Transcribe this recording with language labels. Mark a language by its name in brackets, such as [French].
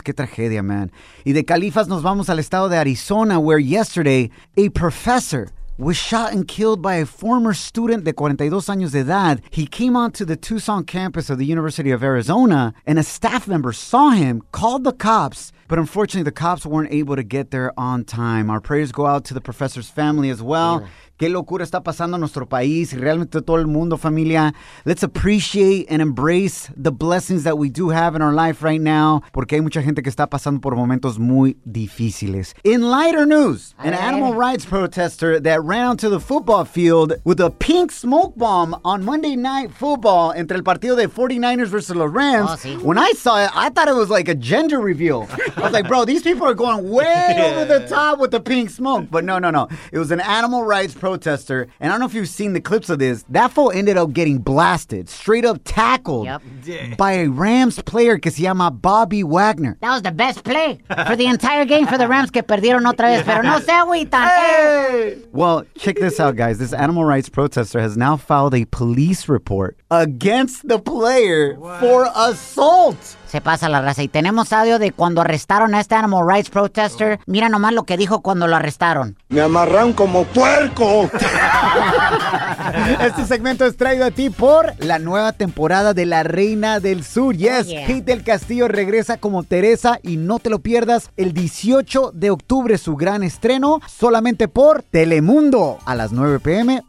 [Spanish] Qué tragedia, man. Y de Califas nos vamos al estado de Arizona, [English] where yesterday, a professor was shot and killed by a former student [Spanish] de 42 años de edad. [English] He came onto the Tucson campus of the University of Arizona, and a staff member saw him, called the cops, but unfortunately, the cops weren't able to get there on time. Our prayers go out to the professor's family as well. Yeah. [Spanish] Qué locura está pasando en nuestro país, realmente todo el mundo, familia. [English] Let's appreciate and embrace the blessings that we do have in our life right now, [Spanish] porque hay mucha gente que está pasando por momentos muy difíciles. [English] In lighter news, an animal rights protester that ran onto the football field with a pink smoke bomb on Monday night football [Spanish] entre el partido de [English] 49ers versus the Rams. [Spanish] Oh, sí. [English] When I saw it, I thought it was like a gender reveal. I was like, bro, these people are going way over the top with the pink smoke. But no. It was an animal rights protester. And I don't know if you've seen the clips of this. That fool ended up getting blasted, straight up tackled by a Rams player [Spanish] que se llama [English] Bobby Wagner. That was the best play for the entire game for the Rams [Spanish] que perdieron otra vez. Pero no se agüitan. [English] Well, check this out, guys. This animal rights protester has now filed a police report against the player for assault. [Spanish] Se pasa la raza. Y tenemos audio de cuando arrestaron a este [English] animal rights protester. [Spanish] Mira nomás lo que dijo cuando lo arrestaron. Me amarraron como puerco. Este segmento es traído a ti por la nueva temporada de La Reina del Sur. Yes, Kate del Castillo regresa como Teresa y no te lo pierdas el 18 de octubre, su gran estreno, solamente por Telemundo a las 9 p.m.